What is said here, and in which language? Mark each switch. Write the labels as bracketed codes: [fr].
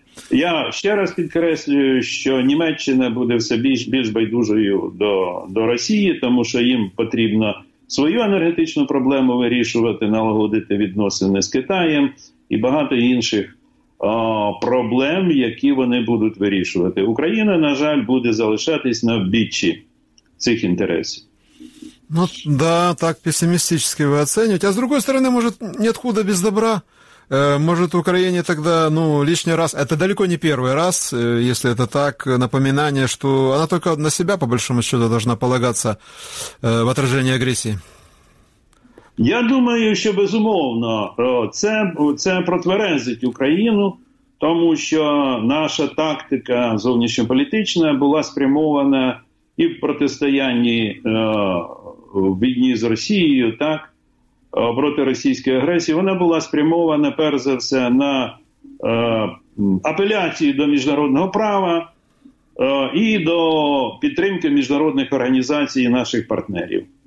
[uk] Я ще раз підкреслюю, що Німеччина буде все більш байдужою до Росії, тому що їм потрібно свою енергетичну проблему вирішувати, налагодити відносини з Китаєм і багато інших проблем, які вони будуть вирішувати. Україна, на жаль, буде залишатись на обіччі цих інтересів. [ru] Ну да, так пессимистически вы оцениваете. А с другой стороны, может, ниоткуда без добра. Может, Украине тогда, ну, лишний раз, это далеко не первый раз, если это так, напоминание, что она только на себя, по большому счету, должна полагаться в отражении агрессии. Я думаю, что, [uk] безумовно, це протверезить Украину, тому що наша тактика зовнішньополітична була спрямована і в протистоянні війні з Росією, так, проти російської агресії, вона була спрямована перш за все на апеляції до міжнародного права і до підтримки міжнародних організацій і наших партнерів.